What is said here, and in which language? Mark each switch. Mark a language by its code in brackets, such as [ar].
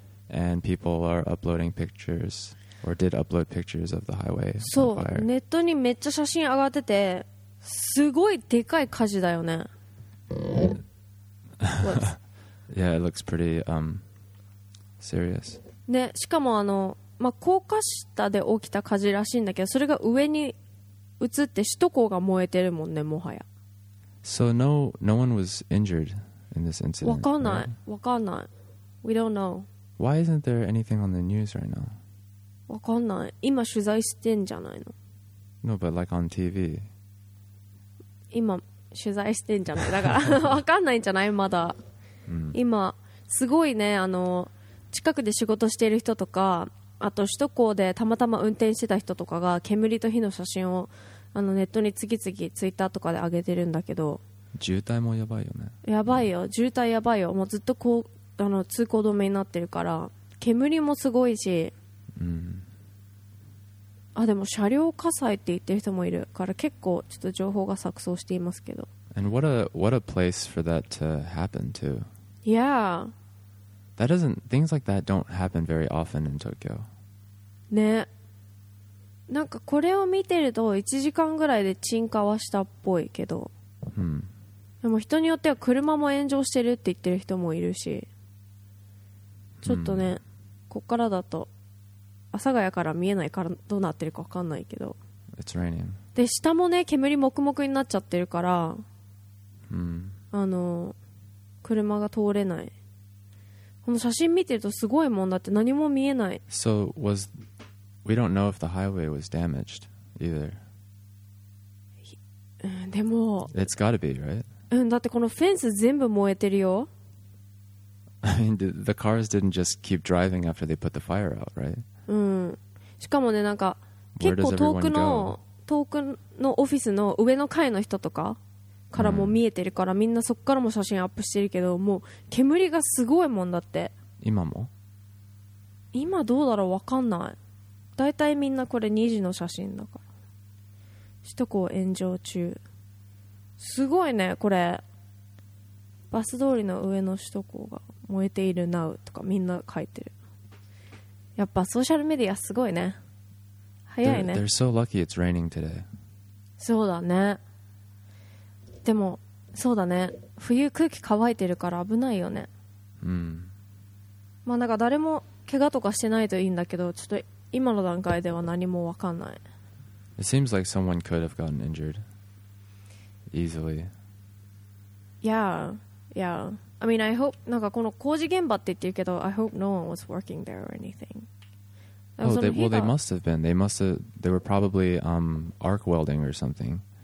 [en] And people are uploading pictures, or did upload pictures of the highway on fire. [ja] そう、ネットにめっちゃ写真上がってて、すごいでかい火事だよね。 [en] Yeah, it looks pretty, serious. [ja] ね、しかもあの、まあ、高架下で起きた火事らしいんだけど、それが上に移って首都高が燃えてるもんね、もはや。 [en] So no one was injured in this incident. [ja] わかんない、 [en] right? [ja] わかんない。 [en] We don't know. Why isn't there anything on the news right now? [ja] わかんない。今取材してんじゃないの。 [en] No, but like on TV. [ja] 今取材してんじゃない。だからわかんないんじゃないまだ。うん、今すごいね、あの近くで仕事してる人とか、あと首都高でたまたま運転してた人とかが煙と火の写真をあのネットに次々ツイッターとかで上げてるんだけど、渋滞もやばいよね。やばいよ、渋滞やばいよ。もうずっとこうあの通行止めになってるから煙もすごいし、うん、あでも車両火災って言ってる人もいるから、結構ちょっと情報が錯綜していますけど。 [en] And what a place for that to happen to. Yeah. That doesn't, things like that don't happen very often in Tokyo. [ja] ね。なんかこれを見てると1時間ぐらいで鎮火はしたっぽいけど。でも人によっては車も炎上してるって言ってる人もいるし。ちょっとね、こっからだと阿佐ヶ谷から見えないからどうなってるか分かんないけど。 [en] It's raining. [ja] で、下もね、煙もくもくになっちゃってるから、あの、車が通れない。この写真見てるとすごいもんだって、何も見えない。 [en] So was we don't know if the highway was damaged either. [ja] でも [en] It's gotta be, right? [ja] うん、だってこのフェンス全部燃えてるよ。 [en] I mean, the cars didn't just keep driving after they put the fire out, right? [ja] うん、しかもね、なんか結構遠くのオフィスの上の階の人とかからも見えてるから、みんなそっからも写真アップしてるけど、もう煙がすごいもんだって。今も？今どうだろう、わかんない。だいたいみんなこれ2時の写真だから。首都高炎上中。すごいね、これ。バス通りの上の首都高が燃えているなうとかみんな書いてる。やっぱソーシャルメディアすごいね。早いね。 [en] They're so lucky it's raining today. [ja] そうだね。でもそうだね、冬空気乾いてるから危ないよね。うん、まあなんか誰も怪我とかしてないといいんだけど、ちょっと今の段階では何も分かんない。 [en] It seems like someone could have gotten injured easily. Yeah, yeah. I mean, I hope, [ja] なんかこの工事現場って言ってるけど、 [en] I hope no one was working there or anything. Oh, they, well, they must have been. They must have, they were probably arc welding or something.